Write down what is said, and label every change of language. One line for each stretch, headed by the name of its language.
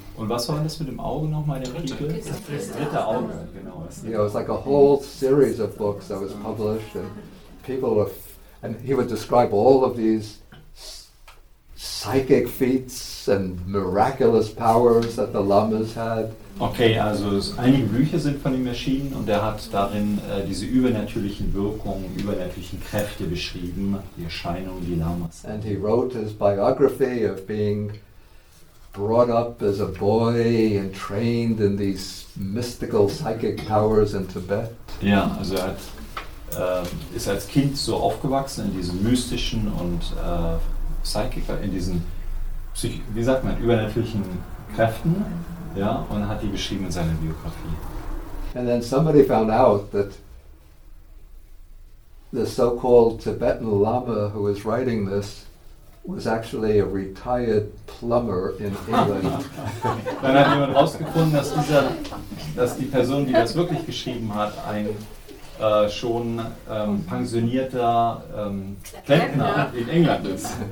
German: Und was war das mit dem Auge nochmal, der Riegel? Das dritte Auge, genau.
English: Yeah, it was like a whole series of books that was published, and people were, and he would describe all of these psychic feats and miraculous powers that the lamas had.
German: Okay, also einige Bücher sind von ihm erschienen und er hat darin diese übernatürlichen Wirkungen, übernatürlichen Kräfte beschrieben, die Erscheinungen, die Lamas.
English: And he wrote his biography of being brought up as a boy and trained in these mystical psychic powers in Tibet.
German: Ja, also er hat, ist als Kind so aufgewachsen in diesen mystischen und Psychiker, in diesen, wie sagt man, übernatürlichen Kräften, ja, und hat die beschrieben in seiner Biografie.
English: And then somebody found out that the so-called Tibetan Lama who was writing this was actually a retired plumber in England.
German: Dann hat jemand herausgefunden, dass die Person, die das wirklich geschrieben hat, ein schon pensionierter Klempner in England ist.